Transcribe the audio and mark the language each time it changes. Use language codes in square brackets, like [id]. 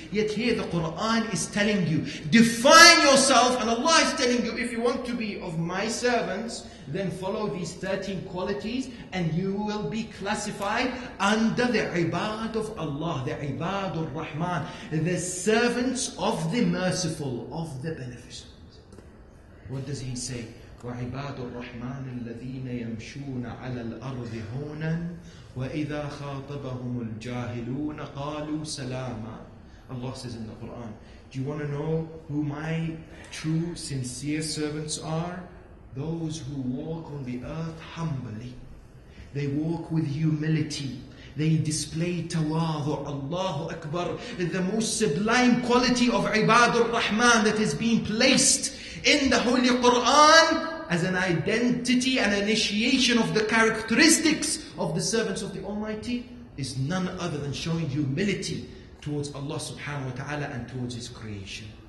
[en] Yet here the Quran is telling you, define yourself, and Allah is telling you, if you want to be of my servants, then follow these 13 qualities and you will be classified under the ibad of Allah, the ibad al-Rahman, the servants of the merciful, of the beneficent. What does he say? [ar] وعباد الرحمن الذين يمشون على الأرض هونا وإذا خاطبهم الجاهلون قالوا سلاما. [en] Allah says in the Quran, do you want to know who my true sincere servants are? Those who walk on the earth humbly. They walk with humility. They display tawadhu. Allahu Akbar. The most sublime quality of Ibadur Rahman that is being placed in the Holy Quran as an identity and initiation of the characteristics of the servants of the Almighty is none other than showing humility towards Allah subhanahu wa ta'ala and towards His creation.